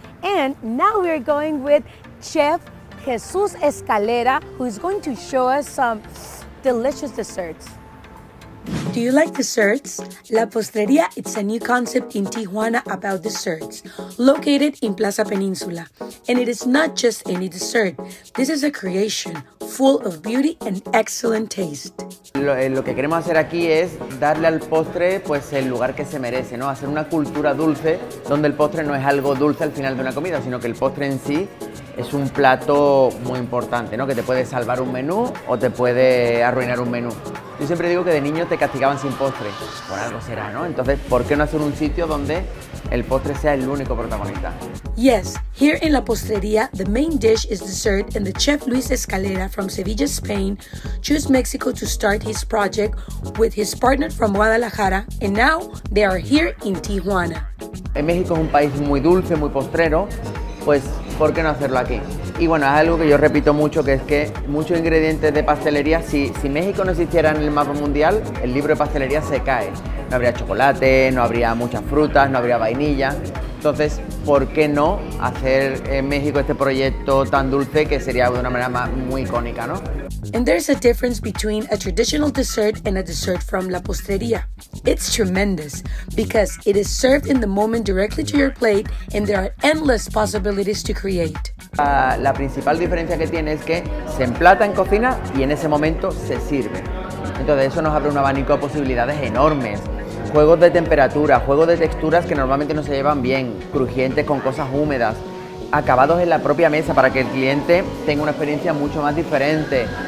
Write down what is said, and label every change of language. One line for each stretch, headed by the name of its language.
English: And now we're going with Chef Jesus Escalera, who is going to show us some delicious desserts. Do you like desserts? La Postreria, it's a new concept in Tijuana about desserts, located in Plaza Peninsula. And it is not just any dessert. This is a creation full of beauty and excellent taste.
Spanish: Lo que queremos hacer aquí es darle al postre pues el lugar que se merece, ¿no? Hacer una cultura dulce, donde el postre no es algo dulce al final de una comida, sino que el postre en sí es un plato muy importante, ¿no? Que te puede salvar un menú o te puede arruinar un menú. Yo siempre digo que de niño te castigaban sin postre. Por algo será, ¿no? Entonces, ¿por qué no hacer un sitio donde el postre sea el único protagonista?
English: Yes, here in La Postrería, the main dish is dessert, and the chef Luis Escalera from Sevilla, Spain, chose Mexico to start his project with his partner from Guadalajara, and now they are here in Tijuana.
Spanish: En México es un país muy dulce, muy postrero, pues, ¿por qué no hacerlo aquí? Y bueno, es algo que yo repito mucho, que es que muchos ingredientes de pastelería, si México no existiera en el mapa mundial, el libro de pastelería se cae. No habría chocolate, no habría muchas frutas, no habría vainilla. Entonces, ¿por qué no hacer en México este proyecto tan dulce que sería de una manera muy icónica, ¿no?
English: And there's a difference between a traditional dessert and a dessert from La Postrería. It's tremendous because it is served in the moment directly to your plate, and there are endless possibilities to create.
Spanish: La principal diferencia que tiene es que se emplata en cocina y en ese momento se sirve. Entonces eso nos abre un abanico de posibilidades enormes. Juegos de temperatura, juegos de texturas que normalmente no se llevan bien, crujientes con cosas húmedas, acabados en la propia mesa para que el cliente tenga una experiencia mucho más diferente.